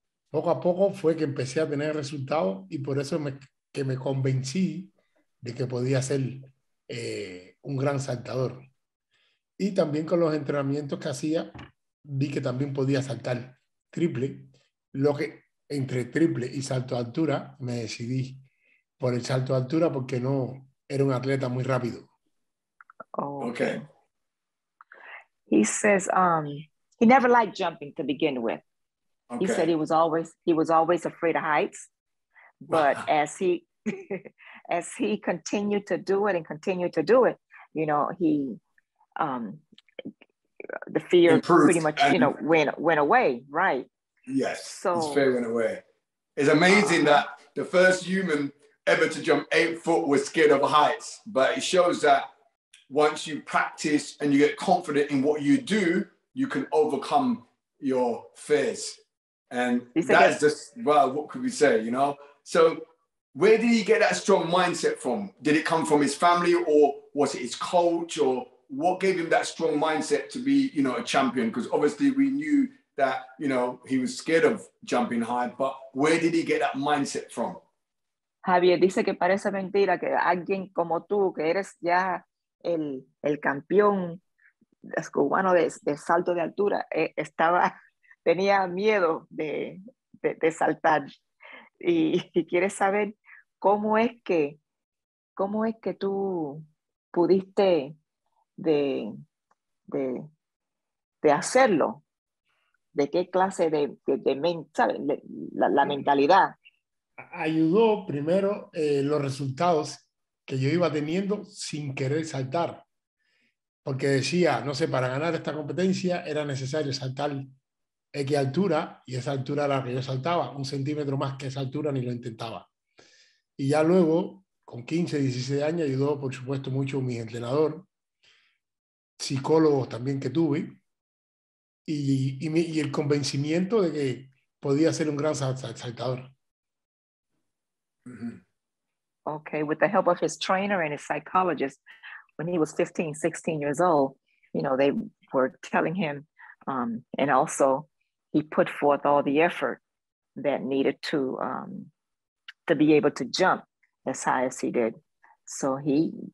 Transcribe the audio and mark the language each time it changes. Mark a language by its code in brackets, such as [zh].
[es] Poco a poco fue que empecé a tener resultados y por eso me convencí de que podía ser un gran saltador. Y también con los entrenamientos que hacía, vi que también podía saltar triple. Lo que entre triple y salto de altura, me decidí por el salto de altura porque no era un atleta muy rápido. [en] Oh, okay. He says he never liked jumping to begin with. Okay. He said he was always afraid of heights, but as he continued to do it and continued to do it, you know, he the fear improved, pretty much, you know, went away, right? Yes. So his fear went away. It's amazing that the first human ever to jump 8 foot was scared of heights, but it shows that once you practice and you get confident in what you do, you can overcome your fears. And that is just, well, what could we say, you know? So where did he get that strong mindset from? Did it come from his family or was it his coach? Or what gave him that strong mindset to be, you know, a champion? Because obviously we knew that, you know, he was scared of jumping high, but where did he get that mindset from? [es] Javier dice que parece mentira que alguien como tú, que eres ya el campeón cubano de salto de altura, estaba... tenía miedo de saltar y quieres saber cómo es que tú pudiste de hacerlo, de qué clase de ¿sabes? La mentalidad. Ayudó primero los resultados que yo iba teniendo sin querer saltar, porque decía, no sé, para ganar esta competencia era necesario saltar X altura, y esa altura era la que yo saltaba, un centímetro más que esa altura ni lo intentaba. Y ya luego, con 15, 16 años, ayudó, por supuesto, mucho mi entrenador, psicólogo también que tuve, y el convencimiento de que podía ser un gran saltador. [en] Okay, with the help of his trainer and his psychologist, when he was 15, 16 years old, you know, they were telling him, and also he put forth all the effort that needed to be able to jump as high as he did. So he